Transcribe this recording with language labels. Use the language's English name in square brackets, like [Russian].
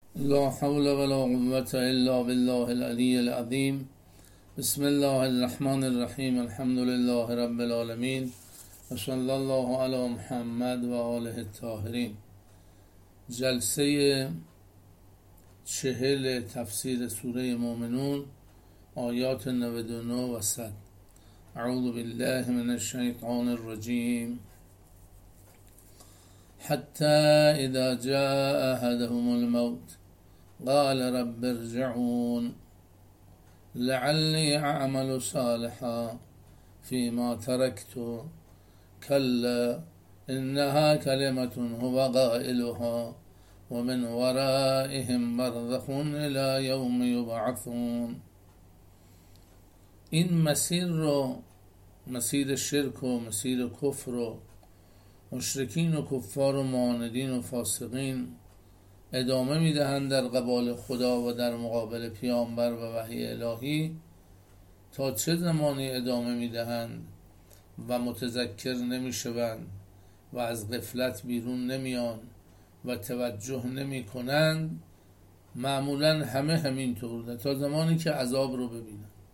[Arabic] لا حول ولا قوة إلا بالله العلي العظيم. بسم الله الرحمن الرحيم. الحمد لله رب العالمين، وصلى الله على محمد وآله الطاهرين. [Persian] جلسه 40 تفسیر سوره مؤمنون آیات 99 و 100. [Arabic] اعوذ بالله من الشیطان الرجیم. حتى اذا جاء احدهم الموت قال رب ارجعون لعلي اعمل صالحا فيما تركت كلا انها كلمه هو قائلها ومن ورائهم برزخ الى يوم يبعثون. [Persian] این مسیر رو، مسیر شرک و مسیر کفر و مشرکین و کفار و معاندین و فاسقین ادامه میدهند در قبال خدا و در مقابل پیامبر و وحی الهی، تا چه زمانی ادامه میدهند و متذکر نمیشوند و از غفلت بیرون نمیان و توجه نمی کنند؟ معمولا همه همینطور، تا زمانی که عذاب رو ببینند،